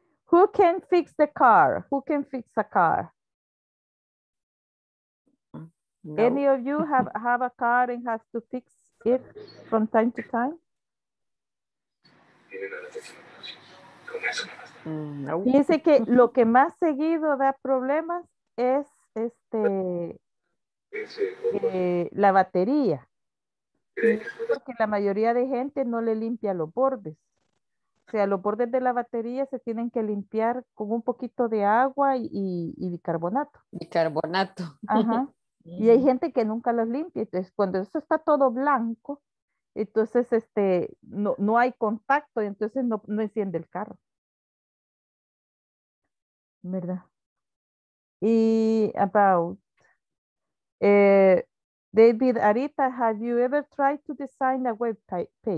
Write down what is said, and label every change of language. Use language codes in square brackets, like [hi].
[en] Who can fix the car? Who can fix a car? No. Any of you have a car and have to fix it from time to time? No. [es] Dice que lo que más seguido da problemas es este la batería. Porque la mayoría de gente no le limpia los bordes. O sea, los bordes de la batería se tienen que limpiar con un poquito de agua y bicarbonato. Bicarbonato. Ajá. Y hay gente que nunca los limpia. Entonces, cuando eso está todo blanco, entonces no hay contacto y entonces no enciende el carro. ¿Verdad? [en] Y about David Arita, have you ever tried to design a web page?